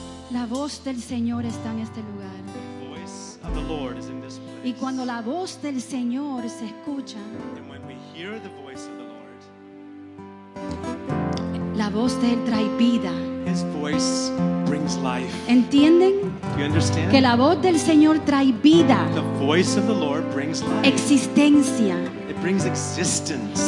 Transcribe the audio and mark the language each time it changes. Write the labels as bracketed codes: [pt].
[es] La voz del Señor está en este lugar. [en] The voice of the Lord is in this place. [es] Y cuando la voz del Señor se escucha, [en] and when we hear the voice of the Lord, [es] la voz de Él trae vida. [en] His voice brings life. [es] ¿Entienden? [en] Do you understand? [es] Que la voz del Señor trae vida. [en] The voice of the Lord brings life. [es] Existencia. [en] It brings existence.